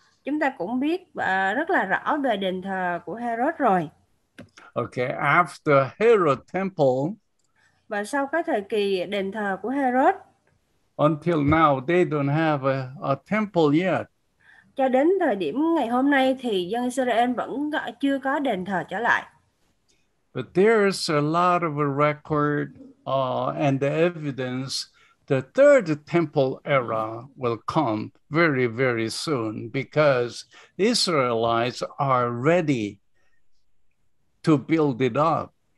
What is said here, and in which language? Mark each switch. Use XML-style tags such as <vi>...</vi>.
<vi>Chúng ta cũng biết rất là rõ về đền thờ của Herod rồi.</vi> <en>After Herod temple,</en> <vi>Và sau cái thời kỳ đền thờ của Herod,</vi> <en>until now they don't have a temple yet.</en> <vi>cho đến thời điểm ngày hôm nay thì dân Israel vẫn chưa có đền thờ trở lại.</vi> <en>But there's a lot of a record and the evidence. The third temple era will come very, very soon because the Israelites are ready to build it up.</en>